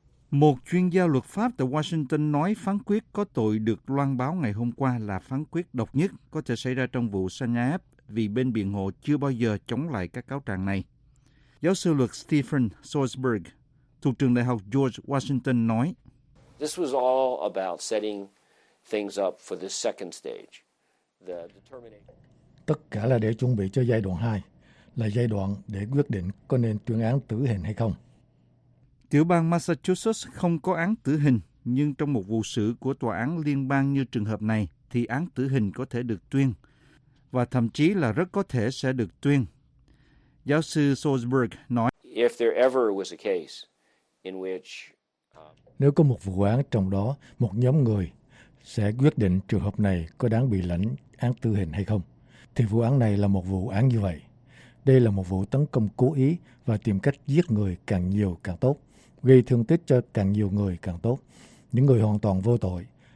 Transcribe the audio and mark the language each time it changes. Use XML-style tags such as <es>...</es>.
<vi>Một chuyên gia luật pháp tại Washington nói phán quyết có tội được loan báo ngày hôm qua là phán quyết độc nhất có thể xảy ra trong vụ Sarnaev vì bên biện hộ chưa bao giờ chống lại các cáo trạng này. Giáo sư luật Stephen Salzberg thuộc trường đại học George Washington nói:</vi> <en>"This was all about setting things up for the second stage, the determination.</en> <vi>Tất cả là để chuẩn bị cho giai đoạn 2, là giai đoạn để quyết định có nên tuyên án tử hình hay không." Tiểu bang Massachusetts không có án tử hình, nhưng trong một vụ xử của tòa án liên bang như trường hợp này thì án tử hình có thể được tuyên, và thậm chí là rất có thể sẽ được tuyên. Giáo sư Salzberg nói:</vi> <en>"If there ever was a case in which..."</en> <vi>Nếu có một vụ án trong đó, một nhóm người sẽ quyết định trường hợp này có đáng bị lãnh án tử hình hay không, thì vụ án này là một vụ án như vậy. Đây là một vụ tấn công cố ý và tìm cách giết người càng nhiều càng tốt, gây thương tích cho càng nhiều người càng tốt, những người hoàn toàn vô tội.</vi>